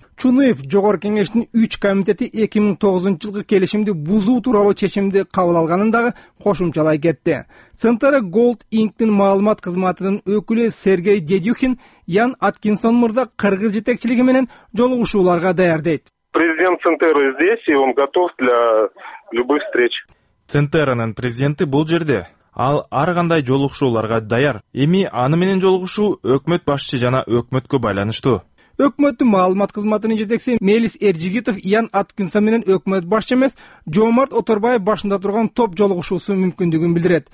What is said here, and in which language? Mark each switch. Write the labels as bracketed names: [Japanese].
[Kyrgyz] Чунуев Жогорку Кеңештин 3 комитети 2009 жылкы келишимди бузуу тууралуу чечимди кабыл алганын дагы кошумчалай кетти. Центерра Голд Инктин маалымат кызматынын өкүлү Сергей Дедюхин Ян Аткинсон мырза кыргыз жетекчилиги менен жолугушууларга даярдайт. [Russian] Президент Центерры здесь, и он готов для любых встреч. [Kyrgyz] Центерранын президенти бул жерде. Ал ар кандай жолугушууларга даяр. Эми аны менен жолугушуу өкмөт башчы жана өкмөткө байланыштуу. Өкмөттүн маалымат кызматынын жетекчиси Мелис Эржигитов Ян Аткинсон менен өкмөт башчы эмес, Жомарт Оторбаев башында турган топ жолугушуусу мүмкүндүгүн билдирет.